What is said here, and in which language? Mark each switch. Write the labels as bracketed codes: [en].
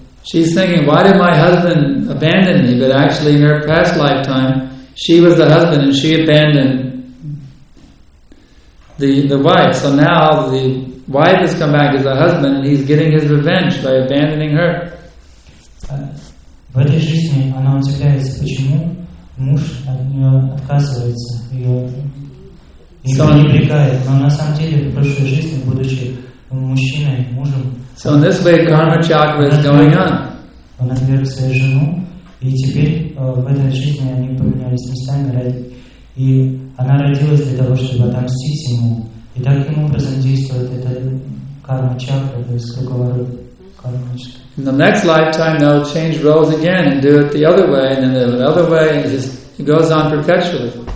[en] She's thinking, why did my husband abandon me? But actually, in her past lifetime, she was the husband and she abandoned the wife. So now the wife has come back as a husband and he's getting his revenge by abandoning her. [ru] В этой жизни она удивляется, почему муж от нее отказывается, ее не привлекает. Но на самом деле в прошлой жизни, будучи мужчиной, мужем, [en] so in this way, karma chakra is going on. [ru] Она отвергла жену, и теперь в этой жизни они поменялись местами, и она родилась для того, чтобы отомстить ему. И таким образом действует эта карма чакра, то есть круговорот кармический. [en] In the next lifetime, they'll change roles again and do it the other way, and then the other way, and it goes on perpetually.